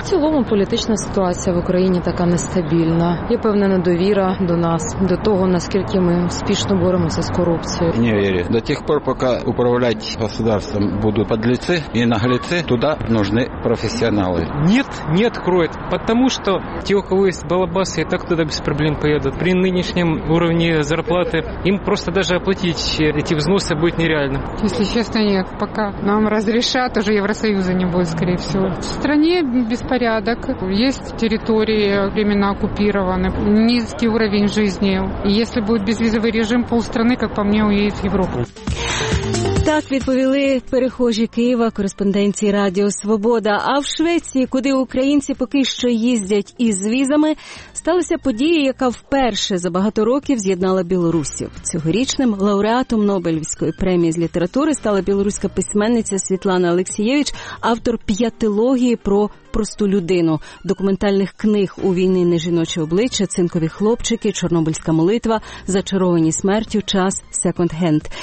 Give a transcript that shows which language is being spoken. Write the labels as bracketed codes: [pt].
[uk] В цілому політична ситуація в Україні така нестабільна. Є певна недовіра до нас, до того, наскільки ми успішно боремося з корупцією. Не вірю. До тих пор, поки управляти государством будуть подліці і наглеці, туди потрібні професіонали. [ru] Ні, откроют. Потому что те, у кого есть балабасы, и так туда без проблем поедут. При нынешнем уровне зарплаты им просто даже оплатить эти взносы будет нереально. Если честно, нет. Пока нам разрешат, уже Евросоюза не будет, скорее всего. В стране беспорядок. Есть территории временно оккупированы. Низкий уровень жизни. И если будет безвизовый режим, полстраны, как по мне, уедет в Европу. [uk] Так відповіли перехожі Києва кореспонденції Радіо Свобода. А в Швеції, куди українці поки що їздять із візами, сталася подія, яка вперше за багато років з'єднала білорусів. Цьогорічним лауреатом Нобелівської премії з літератури стала білоруська письменниця Світлана Алексієвич, автор п'ятилогії про просту людину, документальних книг «У війни не жіноче обличчя», «Цинкові хлопчики», «Чорнобильська молитва», «Зачаровані смертю», «Час», «Секонд хенд».